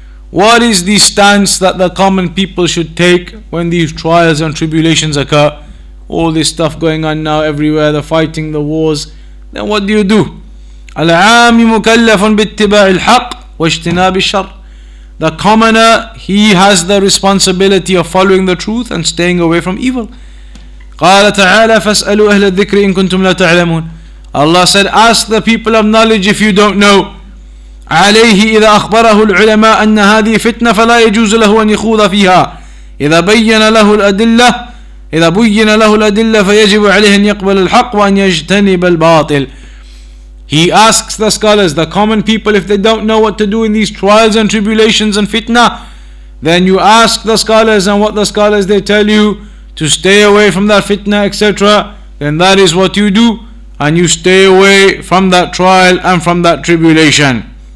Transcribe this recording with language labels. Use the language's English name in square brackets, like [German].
[English] What is the stance that the common people should take when these trials and tribulations occur? All this stuff going on now everywhere, the fighting, the wars. Then what do you do? [Arabic] Al-aam mukallafun bi-ittiba' al-haq wa ijtinab al-shar. [English] The commoner, he has the responsibility of following the truth and staying away from evil. [Arabic] قال تعالى فاسألوا أهل الذكر إن كنتم لا تعلمون. [English] Allah said, ask the people of knowledge if you don't know. [Arabic] عليه إذا أخبره العلماء أن هذه فتنة فلا يجوز له أن يخوض فيها. إذا بين له الأدلة إذا بين له الأدلة فيجب عليه أن يقبل الحق وأن يجتنب الباطل. [English] He asks the scholars, the common people, if they don't know what to do in these trials and tribulations and fitna, then you ask the scholars, and what the scholars they tell you, to stay away from that fitna, etc., then that is what you do, and you stay away from that trial and from that tribulation.